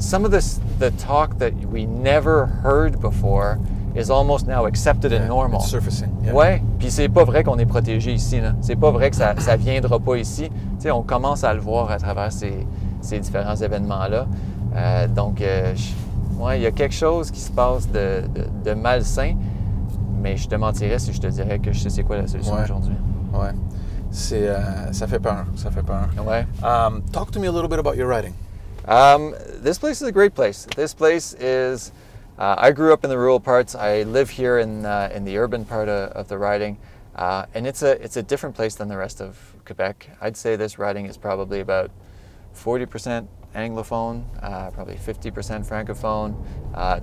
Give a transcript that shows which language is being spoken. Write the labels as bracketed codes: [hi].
[en] Some of the talk that we never heard before is almost now accepted and normal. It's surfacing. Yeah. [fr] Ouais. Puis c'est pas vrai qu'on est protégé ici, là. C'est pas vrai que ça viendra pas ici. Tu sais, on commence à le voir à travers ces différents événements-là. Donc, il y a quelque chose qui se passe de malsain, mais je te mentirais si je te dirais que je sais c'est quoi la solution aujourd'hui. Ouais. Ça fait peur. Ouais. [en] Talk to me a little bit about your writing. This place is a great place. This place is... I grew up in the rural parts. I live here in the urban part of the riding. And it's a different place than the rest of Quebec. I'd say this riding is probably about 40% Anglophone, probably 50% Francophone.